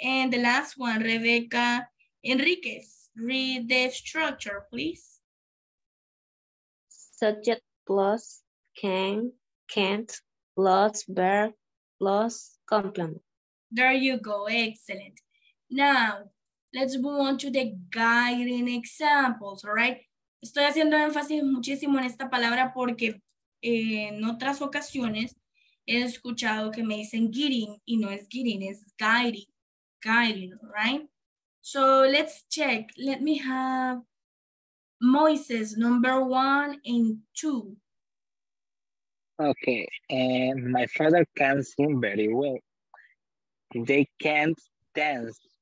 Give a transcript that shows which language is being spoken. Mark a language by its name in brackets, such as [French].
[English] And the last one, Rebecca Enriquez, read the structure, please. Subject plus can, can't, plus verb, plus complement. There you go. Excellent. Now, let's move on to the guiding examples, all right? [Spanish] Estoy haciendo énfasis muchísimo en esta palabra porque en otras ocasiones he escuchado que me dicen guiding y no es guiding, es guiding, guiding, right? [English] So let's check. Let me have Moises, number one and two. Okay, my father can sing very well. They can't dance.